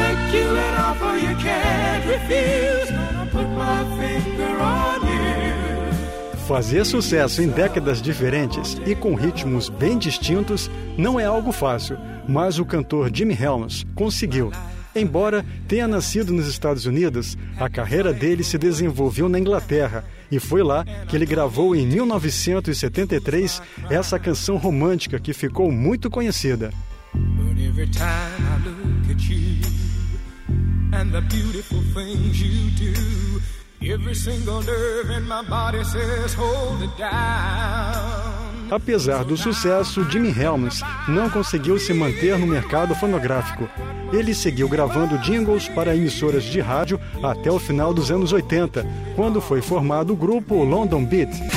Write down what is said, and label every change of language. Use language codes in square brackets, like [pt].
[en] kill an offer you can't refuse. Gonna put my finger on you. [pt] Fazer sucesso em décadas diferentes e com ritmos bem distintos não é algo fácil, mas o cantor Jimmy Helms conseguiu. Embora tenha nascido nos Estados Unidos, a carreira dele se desenvolveu na Inglaterra e foi lá que ele gravou em 1973 essa canção romântica que ficou muito conhecida. [en] But every time I look at you and the beautiful things you do, every single nerve in my body says hold it down. [pt] Apesar do sucesso, Jimmy Helms não conseguiu se manter no mercado fonográfico. Ele seguiu gravando jingles para emissoras de rádio até o final dos anos 80, quando foi formado o grupo London Beat.